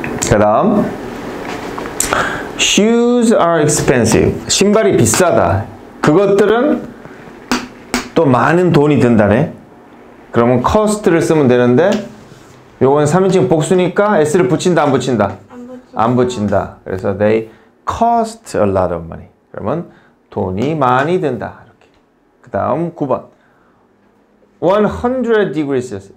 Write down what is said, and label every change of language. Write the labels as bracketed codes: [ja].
[ko] 그다음 [en] shoes are expensive. [ko] 신발이 비싸다. 그것들은 또 많은 돈이 든다네. 그러면 cost를 쓰면 되는데 요건 3인칭 복수니까 s를 붙인다 안 붙인다? 안 붙인다. 안 붙인다. 그래서 [en] they cost a lot of money. [ko] 그러면 돈이 많이 든다 이렇게. 그 다음 9번 100 degrees.